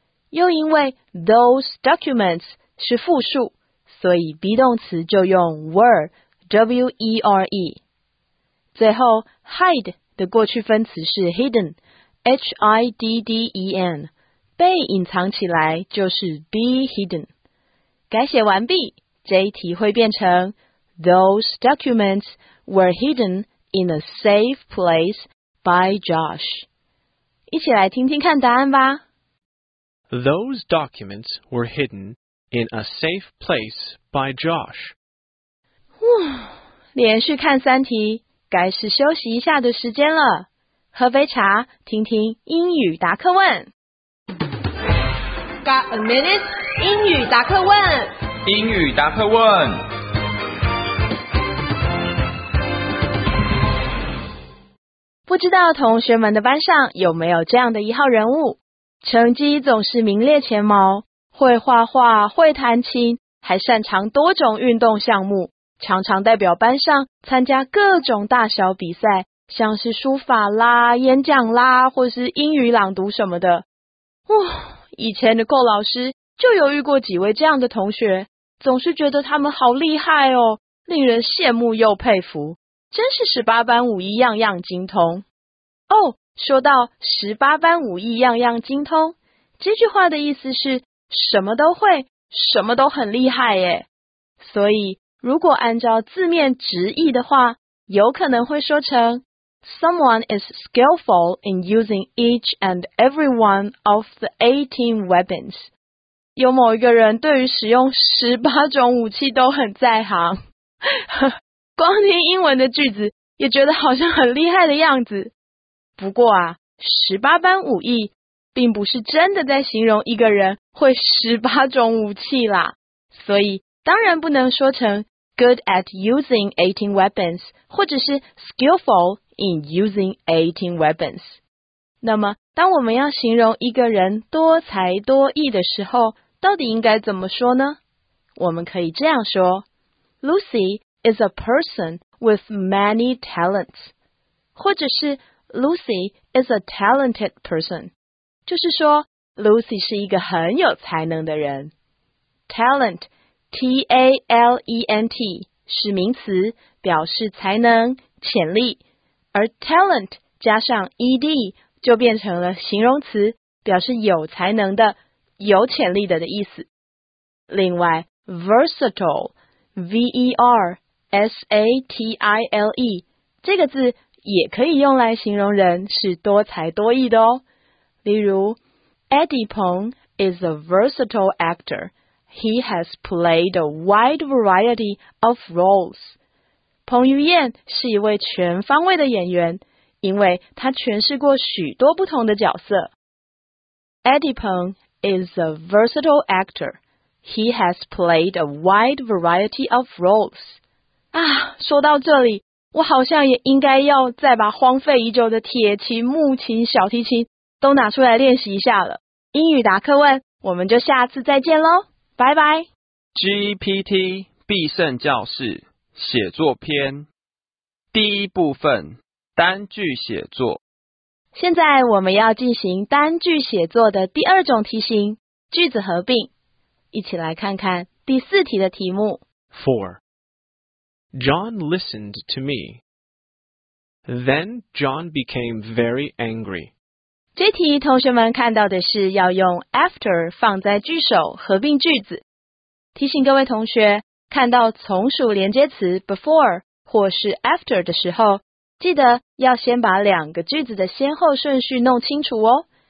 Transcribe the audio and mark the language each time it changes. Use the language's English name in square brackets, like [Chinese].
[Chinese] 又因为 those documents 是复数，所以 be 动词就用 were, W-E-R-E。最后 hide 的过去分词是 hidden, H-I-D-D-E-N, 被隐藏起来就是 be hidden。改写完毕，这一题会变成 [English] those documents were hidden in a safe place by Josh。 [Chinese] 一起来听听看答案吧。 [English] Those documents were hidden in a safe place by Josh. [Chinese] 连续看三题，该是休息一下的时间了。喝杯茶，听听英语答客问。 [English] Got a minute? [Chinese] 英语答客问。英语答客问。不知道同学们的班上有没有这样的一号人物？成绩总是名列前茅，会画画，会弹琴，还擅长多种运动项目，常常代表班上参加各种大小比赛，像是书法啦、演讲啦，或是英语朗读什么的。哇，以前的Nicole老师就有遇过几位这样的同学，总是觉得他们好厉害哦，令人羡慕又佩服，真是十八般武艺样样精通哦。说到十八般武艺样样精通，这句话的意思是什么都会，什么都很厉害耶。所以如果按照字面直译的话，有可能会说成 [English] Someone is skillful in using each and every one of the 18 weapons。 [Chinese] 有某一个人对于使用十八种武器都很在行。光听英文的句子也觉得好像很厉害的样子。不过啊，十八般武艺并不是真的在形容一个人会十八种武器啦，所以当然不能说成 [English] good at using 18 weapons [Chinese] 或者是 [English] skillful in using 18 weapons。 [Chinese] 那么当我们要形容一个人多才多艺的时候，到底应该怎么说呢？我们可以这样说， [English] Lucy is a person with many talents， [Chinese] 或者是 [English] Lucy is a talented person， [Chinese] 就是说 Lucy 是一个很有才能的人。 Talent T-A-L-E-N-T 是名词，表示才能、潜力，而 talent 加上 ed 就变成了形容词，表示有才能的、有潜力的的意思。另外 versatile V-E-R-S-A-T-I-L-E 这个字也可以用来形容人是多才多艺的哦。例如 [English] Eddie 彭 is a versatile actor. He has played a wide variety of roles. [Chinese] 彭于晏是一位全方位的演员，因为他诠释过许多不同的角色。 [English] Eddie 彭 is a versatile actor. He has played a wide variety of roles. [Chinese] 啊，说到这里我好像也应该要再把荒废已久的铁琴、木琴、小提琴都拿出来练习一下了。英语答客问，我们就下次再见咯，拜拜。 GPT 必胜教室写作篇第一部分，单句写作。现在我们要进行单句写作的第二种题型，句子合并。一起来看看第四题的题目。 [English] 4. John listened to me. Then John became very angry. [Chinese] 这题同学们看到的是要用 after 放在句首合并句子。提醒各位同学，看到从属连接词 before 或是 after 的时候，记得要先把两个句子的先后顺序弄清楚哦。